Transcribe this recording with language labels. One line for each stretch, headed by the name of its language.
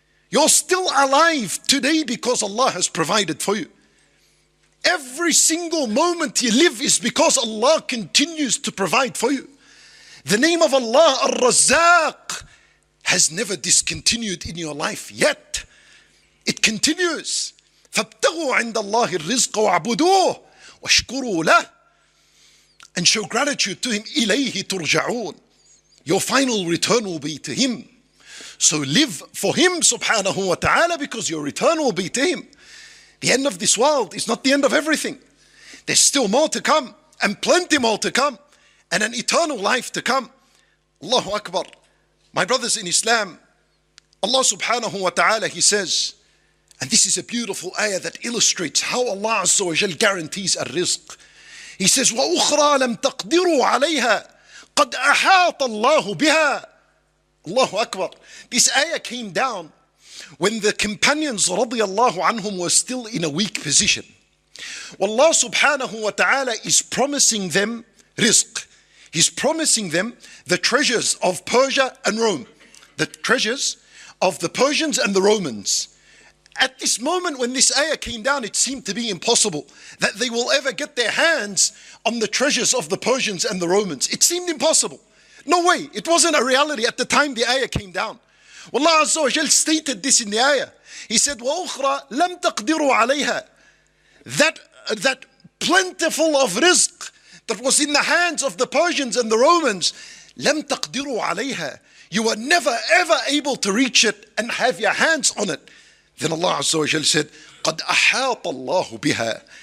English: You're still alive today because Allah has provided for you. Every single moment you live is because Allah continues to provide for you. The name of Allah, ar-Razzaq, has never discontinued in your life yet. It continues.
Arabic: فَابْتَغُوا عِنْدَ اللَّهِ الرِّزْقَ وَعْبُدُوهُ وَشْكُرُوا لَهُ,
English: and show gratitude to Him.
Arabic: إِلَيْهِ تُرْجَعُونَ.
English: Your final return will be to Him. So live for Him subhanahu wa ta'ala, because your return will be to Him. The end of this world is not the end of everything. There's still more to come, and plenty more to come, and an eternal life to come. Allahu Akbar. My brothers in Islam, Allah subhanahu wa ta'ala, He says, and this is a beautiful ayah that illustrates how Allah Azza wa Jal guarantees ar-rizq. He says,
Arabic: وَأُخْرَى لَمْ تَقْدِرُوا عَلَيْهَا قَدْ أَحَاطَ اللَّهُ بِهَا.
English: Allahu Akbar. This ayah came down when the companions radiallahu anhum were still in a weak position. Allah subhanahu wa ta'ala is promising them rizq. He's promising them the treasures of Persia and Rome, the treasures of the Persians and the Romans. At this moment when this ayah came down, it seemed to be impossible that they will ever get their hands on the treasures of the Persians and the Romans. It seemed impossible. No way. It wasn't a reality at the time the ayah came down. Well, Allah Azza wa Jal stated this in the ayah. He said,
Arabic: وَأُخْرَى لَمْ تَقْدِرُوا عَلَيْهَا.
English: That plentiful of rizq that was in the hands of the Persians and the Romans,
Arabic: لَمْ تَقْدِرُوا عَلَيْهَا.
English: You were never ever able to reach it and have your hands on it. Then Allah Azza wa Jal said,
Arabic: قَدْ أَحَاطَ اللَّهُ بِهَا.